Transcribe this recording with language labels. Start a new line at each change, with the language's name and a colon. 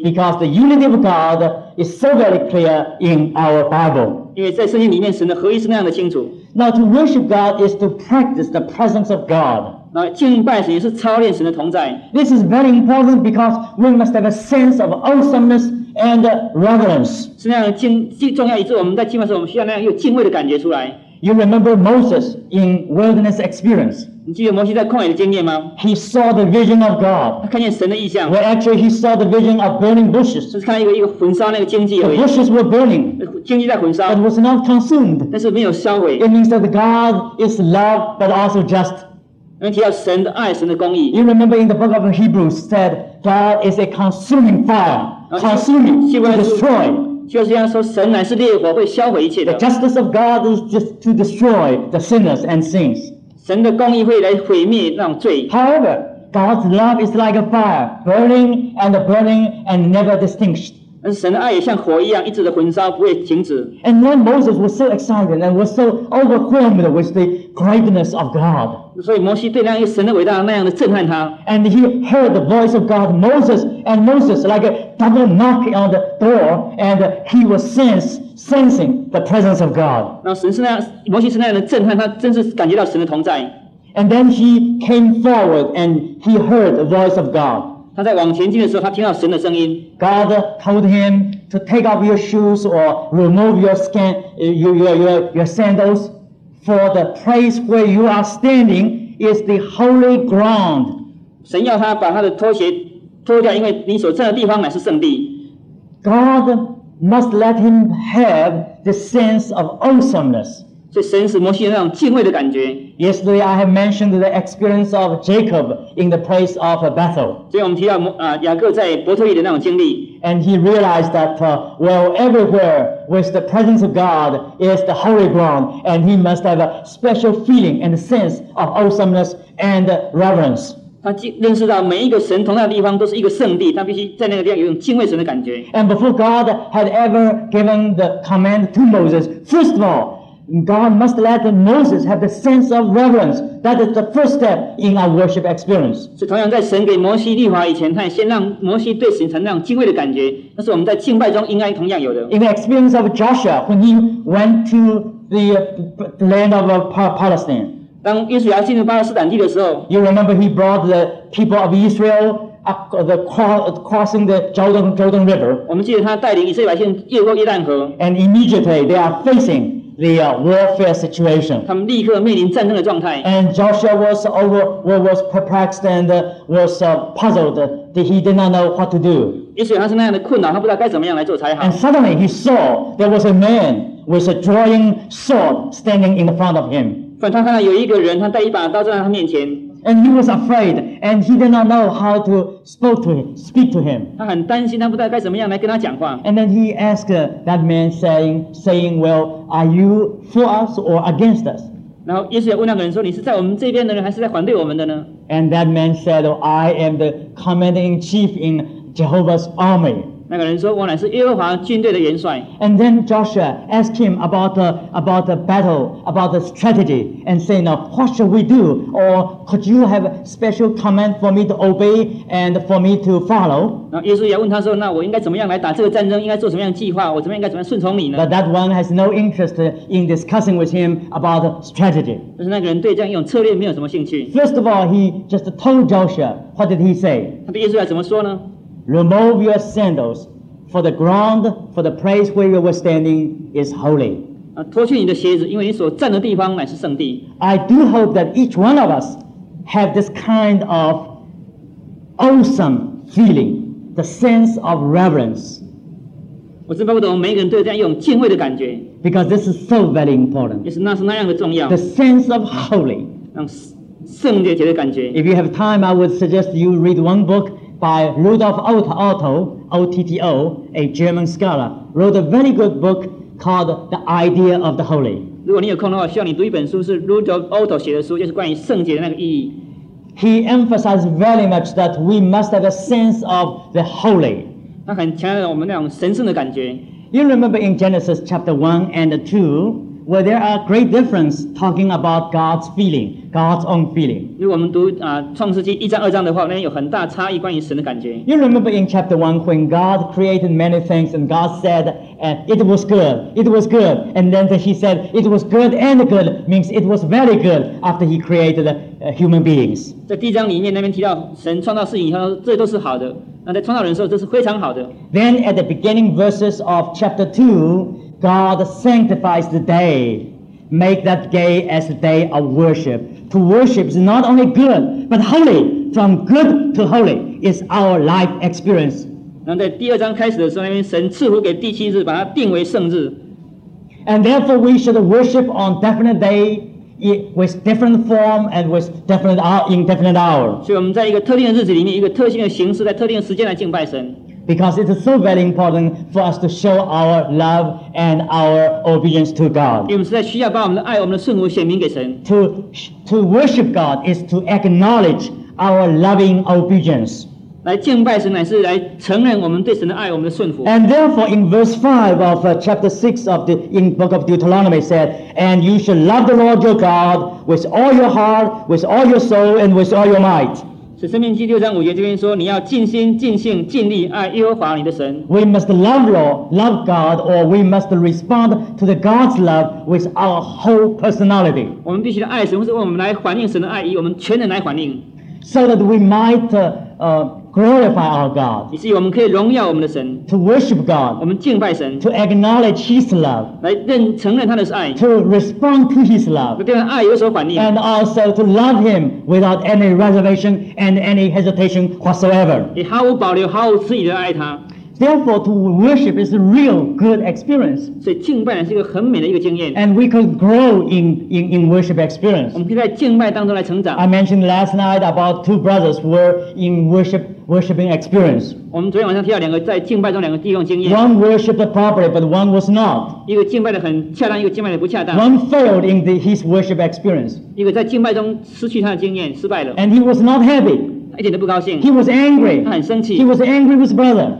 English: Because the unity of God is so very clear in our Bible，
Chinese: 因为在圣经里面，神的合一是那样的清楚。
English: Now to worship God is to practice the presence of God。
Chinese: 那敬拜神也是操练神的同在。
English: This is very important because we must have a sense of awesomeness and reverence。
Chinese: 是那样的重要，以致我们在敬拜时，我们需要那样有敬畏的感觉出来。
English: You remember Moses in wilderness experience.
Chinese: 你记得摩西在旷野的经验吗？
English: He saw the vision of God.
Chinese: 他看见神的异象。
English: Well, actually, he saw the vision of burning bushes.
Chinese: 就是看一个焚烧那个荆棘而已。
English: The bushes were burning.
Chinese: 荆棘在焚烧。
English: But was not consumed.
Chinese: 但是没有销毁。
English: It means that God is love, but also just.
Chinese: 能提到神的爱，神的公义。
English: You remember in the book of Hebrews said God is a consuming fire, consuming to destroy.
Chinese: 就是这样说，神乃是烈火，会销毁一切的。
English: The justice of God is just to destroy the sinners and sins.
Chinese: 神的公义会来毁灭那种罪。
English: However, God's love is like a fire, burning and burning and never extinguished.
Chinese: 但是神的爱也像火一样，一直的焚烧，不会停止。
English: And then Moses was so excited and was so overwhelmed with the greatness of God.
Chinese: 所以摩西对那样神的伟大那样的震撼他。
English: And he heard the voice of God, Moses. And Moses, like a double knock on the door, and he was sensing the presence of God.
Chinese: 那神是那样，摩西是那样的震撼，他真是感觉到神的同在。
English: And then he came forward, and he heard the voice of God.
Chinese: 他在往前进的时候，他听到神的声音。
English: God told him to take off your shoes or remove your sandals, for the place where you are standing is the holy ground.
Chinese: 神要他把他的拖鞋。脱掉，因为你所站的地方乃是圣地。
English: God must let him have the sense of awesomeness.
Chinese: 所以神使摩西有那种敬畏的感觉。
English: Yesterday I have mentioned the experience of Jacob in the place of Bethel.
Chinese: 所以我们提到雅各在伯特利的那种经历。
English: And he realized that well, everywhere with the presence of God is the holy ground, and he must have a special feeling and sense of awesomeness and reverence.
Chinese: 他认识到每一个神同在的地方都是一个圣地，他必须在那个地方有一种敬畏神的感觉。
English: And before God had ever given the command to Moses, first of all, God must let Moses have the sense of reverence. That is the first step in our worship experience.
Chinese: 所以同样在神给摩西律法以前，他先让摩西对神产生敬畏的感觉，那是我们在敬拜中应该同样有的。
English: In the experience of Joshua, when he went to the land of Palestine.
Chinese: 当约书亚进入巴勒斯坦地的时候
English: ，You remember he brought the people of Israel up the crossing the Jordan River.
Chinese: 我们记得他带领以色列百姓越过约旦河。
English: And immediately they are facing the warfare situation.
Chinese: 他们立刻面临战争的状态。
English: And Joshua was perplexed and was puzzled that he did not know what to do.
Chinese: 约书亚是那样的困扰，他不知道该怎么样来做才好。
English: And suddenly he saw there was a man with a drawing sword standing in front of him.
Chinese: 他看到有一个人，他带一把刀站在他面前。
English: And he was afraid, and he did not know how to speak to him.
Chinese: 他很担心，他不知道该怎么样来跟他讲话。
English: And then he asked that man, saying, "Well, are you for us or against us?"
Chinese: 然后耶稣问那个人说：“你是在我们这边的人，还是在反对我们的呢？”
English: And that man said, "I am the commander in chief in Jehovah's army."
Chinese: 那个人说：“我乃是耶和华军队的元帅。”
English: And then Joshua asked him about the battle, about the strategy, and saying, "Now, what should we do? Or could you have special command for me to obey and for me to follow?"
Chinese: 然后耶稣也问他说：“那我应该怎么样来打这个战争？应该做什么样计划？我怎么样应该怎么样顺从你呢？”
English: But that one has no interest in discussing with him about strategy.
Chinese: 就是那个人对这样一种策略没有什么兴趣。
English: First of all, he just told Joshua, "What did he say?"
Chinese: 他对耶稣怎么说呢？
English: Remove your sandals, for the ground, for the place where you were standing is holy.
Chinese: 脱去你的鞋子，因为你所站的地方乃是圣地。
English: I do hope that each one of us have this kind of awesome feeling, the sense of reverence.
Chinese: 我真巴不得我们每一个人都有这样一种敬畏的感觉。
English: Because this is so very important.
Chinese: 也是那是那样的重要。
English: The sense of holy.
Chinese: 让圣洁的感觉。
English: If you have time, I would suggest you read one book. By Rudolf Otto, O-T-T-O, a German scholar, wrote a very good book called The Idea of the Holy.
Chinese: 如果你有空的话，希望你读一本书，是 Rudolf Otto 写的书，就是关于圣洁的那个意义。
English: He emphasized very much that we must have a sense of the holy.
Chinese: 他很强调我们那种神圣的感觉。
English: You remember in Genesis chapter 1 and 2,Where there are great difference talking about God's feeling, God's own feeling.
Chinese: 如果我们读创世纪一章二章的话，那边有很大差异关于神的感觉。
English: You remember in chapter 1 when God created many things and God said, "It was good, it was good." And then He said, "It was good and good," means it was very good after He created human beings.
Chinese: 在第一章里面那边提到神创造事情以后，这都是好的。那在创造人的时候，这是非常好的。
English: Then at the beginning verses of chapter 2,God sanctifies the day. Make that day as a day of worship. To worship is not only good, but holy. From good to holy is our life experience.
Chinese: 然后在第二章开始的时候，那边神赐福给第七日，把它定为圣日。
English: And therefore we should worship on definite day with different form and with definite hour, in definite hour.
Chinese: 所以我们在一个特定的日子里面，一个特定的形式，在特定的时间来敬拜神。
English: Because it is so very important for us to show our love and our obedience to God.
Chinese: 因为我们实在需要把我们的爱、我们的顺服显明给神。
English: To worship God is to acknowledge our loving obedience.
Chinese: 来敬拜神乃是来承认我们对神的爱、我们的顺服。
English: And therefore, in verse 5 of chapter 6 of the in book of Deuteronomy, it said, "And you shall love the Lord your God with all your heart, with all your soul, and with all your might."
Chinese: 是《生命记》六章五节这边说，你要尽心、尽性、尽力爱耶和华你的神。
English: We must love Lord, love God, or we must respond to the God's love with our whole personality.
Chinese: 我们必须爱神，或是我们来反映神的爱，以我们全人来反映。
English: So that we might glorify our God.
Chinese: 以至于我们可以荣耀我们的神。
English: To worship God.
Chinese: 我们敬拜神。
English: To acknowledge His love.
Chinese: 来承认他的爱。
English: To respond to His love.
Chinese: 对他的爱有所反应。
English: And also to love Him without any reservation and any hesitation whatsoever.
Chinese: 也毫无保留、毫无迟疑的爱他。
English: Therefore, to worship is a real good experience.
Chinese: 所以敬拜是一个很美的一个经验。
English: And we could grow in worship experience.
Chinese: 我们可以在敬拜当中来成长。
English: I mentioned last night about two brothers who were in worshiping experience.
Chinese: 我们昨天晚上提到两个在敬拜中两个弟兄经验。
English: One worshipped properly, but one was not.
Chinese: 一个敬拜的很恰当，一个敬拜的不恰当。
English: One failed in his worship experience.
Chinese: 一个在敬拜中失去他的经验，失败了。
English: And he was not happy.
Chinese: 一点都不高兴。
English: He was angry.
Chinese: 他很生气。
English: He was angry with his brother.